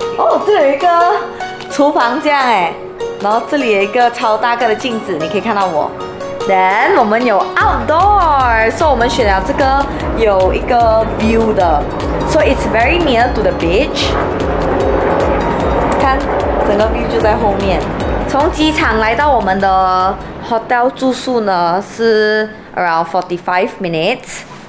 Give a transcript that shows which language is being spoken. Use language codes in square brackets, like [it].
[zh] 哦，这有一个厨房这样哎，然后这里有一个超大个的镜子，你可以看到我。 Then 我们有 outdoor， 所以我们选了这个有一个 view 的， [en] so it's very near to the beach。 [zh] 看整个 view 就在后面。从机场来到我们的 hotel 住宿呢是 around 45 minutes。